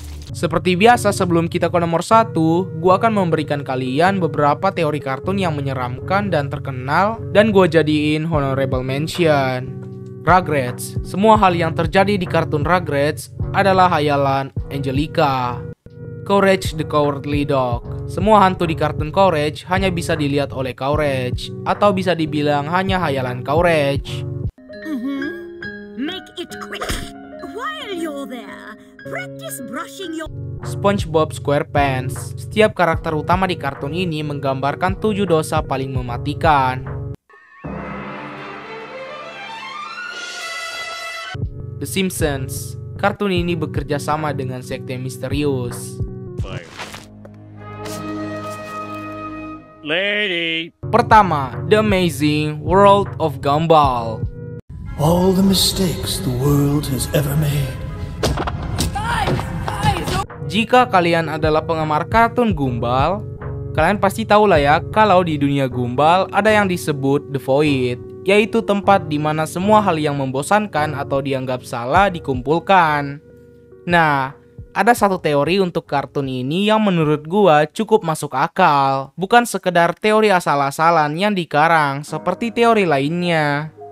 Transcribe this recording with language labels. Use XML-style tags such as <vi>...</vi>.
<id>Seperti biasa, sebelum kita ke nomor 1, gua akan memberikan kalian beberapa teori kartun yang menyeramkan dan terkenal dan gua jadiin</id> <en>honorable mention.</en> <id>Rugrats. Semua hal yang terjadi di kartun Rugrats adalah hayalan Angelica. Courage the Cowardly Dog. Semua hantu di kartun Courage hanya bisa dilihat oleh Courage atau bisa dibilang hanya hayalan Courage.</id> <en>Make it quick while you're there. Practice brushing your...</en> <id>SpongeBob SquarePants. Setiap karakter utama di kartun ini menggambarkan 7 dosa paling mematikan. The Simpsons. Kartun ini bekerja sama dengan sekte misterius.</id> <en>Lady.</en> <id>Pertama, The Amazing World of Gumball.</id> <en>All the mistakes the world has ever made.</en> <id>Jika kalian adalah penggemar kartun Gumball, Kalian pasti tahu lah ya, kalau di dunia gumball ada yang disebut The Void, yaitu tempat di mana semua hal yang membosankan atau dianggap salah dikumpulkan. Nah, ada satu teori untuk kartun ini yang menurut gua cukup masuk akal, bukan sekedar teori asal-asalan yang dikarang seperti teori lainnya.</id>